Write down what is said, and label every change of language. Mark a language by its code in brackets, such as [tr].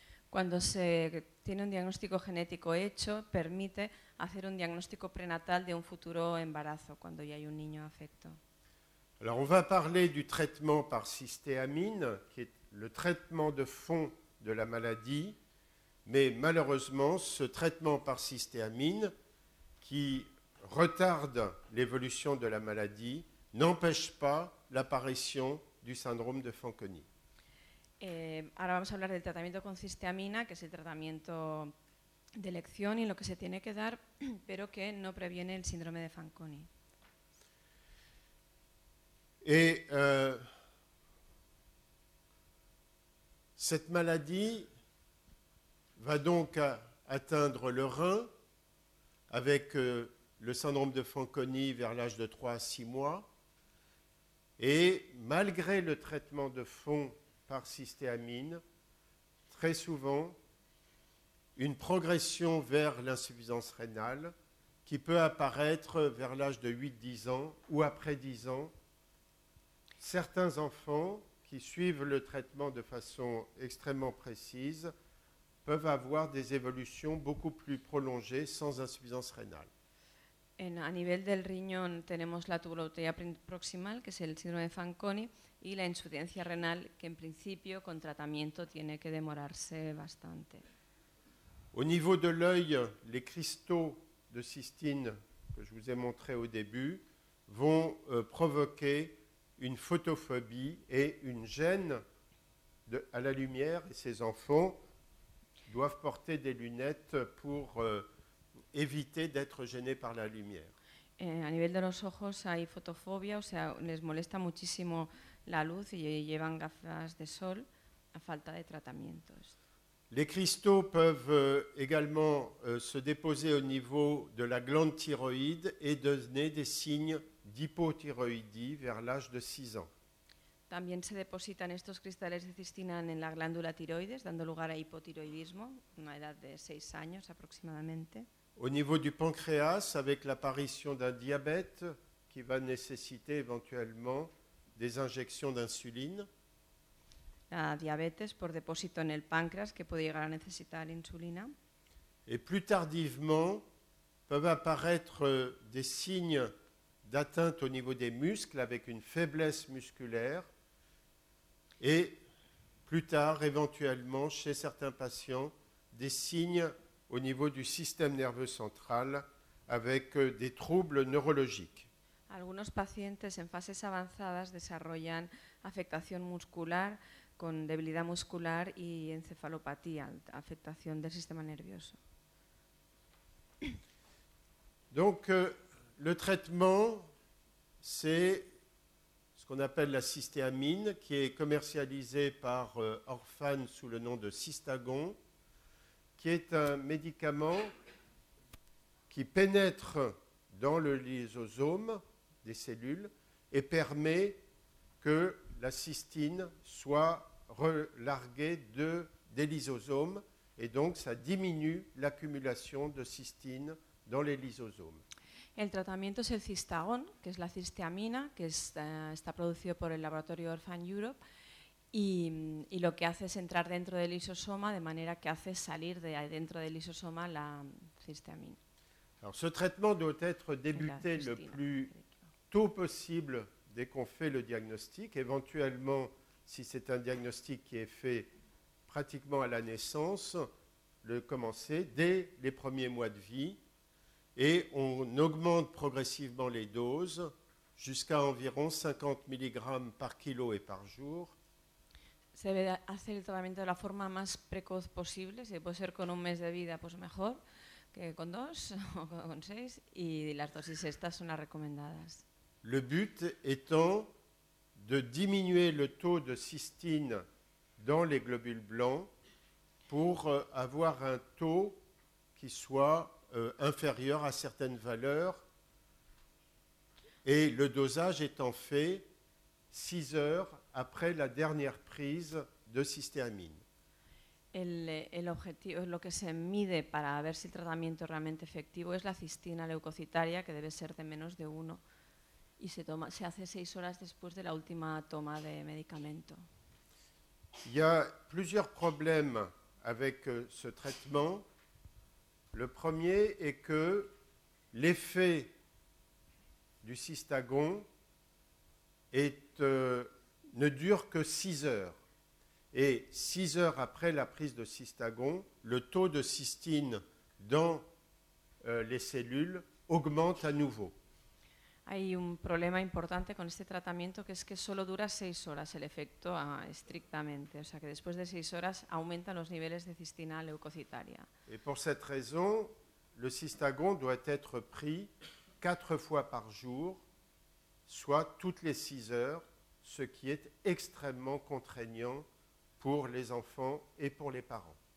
[es] Cuando se tiene un diagnóstico genético hecho, permite hacer un diagnóstico prenatal de un futuro embarazo, cuando ya hay un niño afecto. [fr] Alors on va parler du traitement par cystéamine, qui est le traitement de fond de la maladie, mais malheureusement, ce traitement par cystéamine, qui retarde l'évolution de la maladie, n'empêche pas l'apparition du syndrome de Fanconi. [es] Ahora vamos a hablar del tratamiento con cistamina, que es el tratamiento de elección y lo que se tiene que dar, pero que no previene el síndrome de Fanconi. [fr] Et cette maladie va donc atteindre le rein avec le syndrome de Fanconi vers l'âge de 3 à 6 mois. Et malgré le traitement de fond par cystéamine, très souvent, une progression vers l'insuffisance rénale qui peut apparaître vers l'âge de 8-10 ans ou après 10 ans. Certains enfants qui suivent le traitement de façon extrêmement précise peuvent avoir des évolutions beaucoup plus prolongées sans insuffisance rénale. [es] A nivel del riñón tenemos la tuberosidad proximal, que es el síndrome de Fanconi, y la insuficiencia renal, que en principio con tratamiento tiene que demorarse bastante. [fr] Au niveau de l'œil, les cristaux de cystine que je vous ai montrés au début vont provoquer une photophobie et une gêne à la lumière, et ces enfants doivent porter des lunettes pour éviter d'être gênés par la lumière. [es] A nivel de los ojos hay fotofobia, o sea, les molesta muchísimo la luz y llevan gafas de sol a falta de tratamientos. [fr] Les cristaux peuvent également se déposer au niveau de la glande thyroïde et donner des signes d'hypothyroïdie vers l'âge de 6 ans. [es] También se depositan estos cristales de cistina en la glándula tiroides, dando lugar a hipotiroidismo, una edad de 6 años aproximadamente. [fr] Au niveau du pancréas, avec l'apparition d'un diabète qui va nécessiter éventuellement des injections d'insuline. [es] La diabetes por depósito en el páncreas que puede llegar a necesitar insulina. [fr] Et plus tardivement, peuvent apparaître des signes d'atteinte au niveau des muscles avec une faiblesse musculaire et plus tard, éventuellement, chez certains patients, des signes au niveau du système nerveux central avec des troubles neurologiques. [es] Algunos pacientes en fases avanzadas desarrollan afectación muscular con debilidad muscular y encefalopatía, afectación del sistema nervioso. [fr] Donc, le traitement, c'est ce qu'on appelle la cystéamine, qui est commercialisée par Orphan sous le nom de Cystagon, qui est un médicament qui pénètre dans le lysosome des cellules et permet que la cystine soit relarguée des lysosomes, et donc ça diminue l'accumulation de cystine dans les lysosomes. [es] El tratamiento es el Cystagon, que es la cisteamina, que está producido por el laboratorio Orphan Europe y lo que hace es entrar dentro del lisosoma de manera que hace salir de dentro del lisosoma la cisteamina. [fr] Alors, ce traitement doit être débuté le plus tôt possible dès qu'on fait le diagnostic, éventuellement si c'est un diagnostic qui est fait pratiquement à la naissance, le commencer dès les premiers mois de vie. Et on augmente progressivement les doses jusqu'à environ 50 mg par kilo et par jour. [es] Se debe hacer el tratamiento de la forma más precoz posible, si puede ser con un mes de vida, pues mejor que con dos o con seis, y las dosis estas son las recomendadas. [fr] Le but étant de diminuer le taux de cystine dans les globules blancs pour avoir un taux qui soit inférieur à certaines valeurs et le dosage étant fait 6 heures après la dernière prise de cystéamine. [es] El objetivo, lo que se mide para ver si el tratamiento es realmente efectivo es la cistina leucocitaria que debe ser de menos de 1 y se hace 6 horas después de la última toma de medicamento. [fr] Il y a plusieurs problèmes avec ce traitement. Le premier est que l'effet du Cystagon ne dure que 6 heures. Et 6 heures après la prise de Cystagon, le taux de cystine dans les cellules augmente à nouveau. [es] Hay un problema importante con este tratamiento que es que solo dura 6 horas el efecto estrictamente, o sea que después de 6 horas aumentan los niveles de cistina leucocitaria. [fr] Et pour cette raison, le Cystagon doit être pris 4 fois par jour, soit toutes les 6 heures, ce qui est extrêmement contraignant pour les enfants et pour les parents.